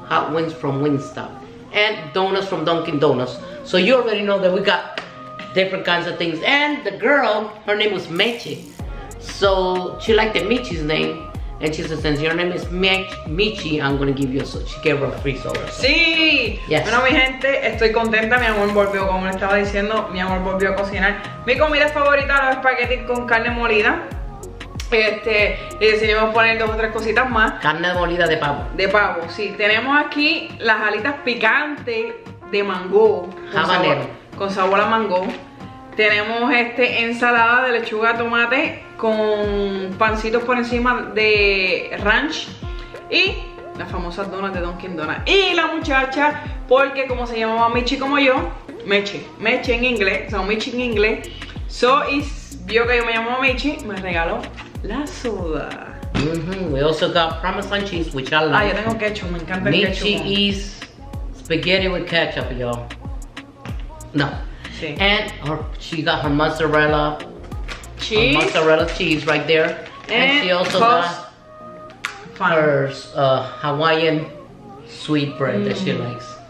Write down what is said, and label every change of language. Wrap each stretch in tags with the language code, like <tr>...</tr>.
<en>hot wings from Wingstop. And donuts from Dunkin' Donuts. So you already know that we got different kinds of things. And the girl, her name was Meche. So she liked the Michi's name. And she said, since your name is Michi, I'm going to give you a soda. She gave her a free soda.</en> <es>Sí.</es> <en>Yes.</en> <es>Bueno, mi gente, estoy contenta. Mi amor volvió, como le estaba diciendo, mi amor volvió a cocinar. Mi comida favorita, los espaguetis con carne molida. Y decidimos poner dos o tres cositas más. Carne molida de pavo. De pavo, sí. Tenemos aquí las alitas picantes de mango. Habanero. Con sabor a mango. Tenemos este ensalada de lechuga, tomate con pancitos por encima de ranch. Y las famosas donas de Dunkin' Donuts. Y la muchacha, porque como se llamaba Michi como yo, Meche en inglés, o sea, Michi en inglés. So, y vio que yo me llamaba Michi, me regaló la soda. Mm-hmm.</es> <en>We also got Parmesan cheese, which I love.</en> <es>Ah, yo tengo ketchup, me encanta Michi el ketchup.</es> <en>Michi is spaghetti with ketchup, y'all. No.</en> <es>Sí.</es> <en>And her, she got her mozzarella cheese. Her mozzarella cheese right there. And she also got her Hawaiian sweet bread that she likes.</en>